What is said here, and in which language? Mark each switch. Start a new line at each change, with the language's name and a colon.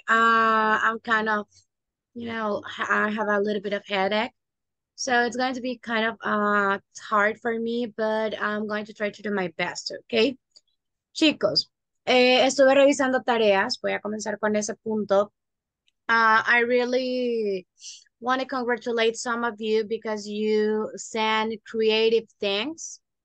English: I'm kind of, I have a little bit of headache. So it's going to be kind of hard for me, but I'm going to try to do my best, okay?
Spanish: Chicos. Estuve revisando tareas, voy a comenzar con ese punto.
English: I really want to congratulate some of you because you send creative things.